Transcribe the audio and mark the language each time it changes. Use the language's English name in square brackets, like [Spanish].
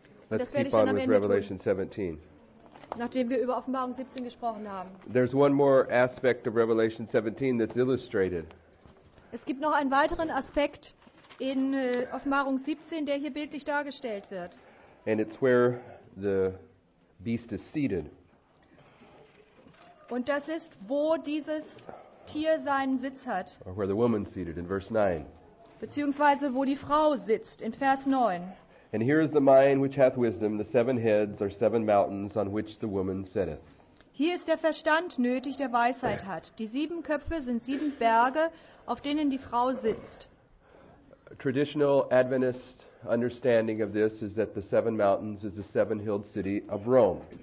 [German] Let's das werde keep ich dann on am Ende Revelation tun, 17. Nachdem wir über Offenbarung 17 gesprochen haben. [English] There's one more aspect of Revelation 17 that's illustrated. [German] Es gibt noch einen weiteren Aspekt in Offenbarung 17, der hier bildlich dargestellt wird. [English] And it's where the beast is seated. [German] Und das ist, wo dieses Tier seinen Sitz hat. [English] Or where the woman seated in verse 9. [German] Beziehungsweise wo die Frau sitzt in Vers 9. [English] And here is the mind which hath wisdom, the seven heads are seven mountains on which the woman sitteth. [German] Hier ist der Verstand nötig, der Weisheit hat. Die sieben Köpfe sind sieben Berge, auf denen die Frau sitzt. [English] Traditional Adventist understanding of this is that the seven mountains is the seven-hilled city of Rome.